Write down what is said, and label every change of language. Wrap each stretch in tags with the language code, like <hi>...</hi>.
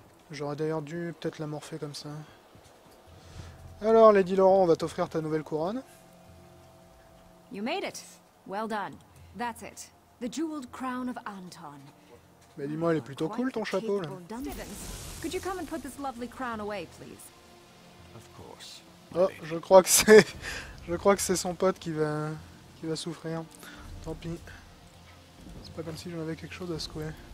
<fr>J'aurais d'ailleurs dû peut-être la morpher comme ça. Alors, Lady Laurent, on va t'offrir ta nouvelle couronne.</fr> <en>You made it. Well done. That's it. The jeweled crown of Anton.</en> <fr>Mais dis-moi, il est plutôt cool ton chapeau là.</fr> <en>Could you come and put this lovely crown away, please? Of course.</en> <fr>Oh, je crois que c'est son pote qui va souffrir. Tant pis. C'est pas comme si j'en avais quelque chose à secouer.</fr>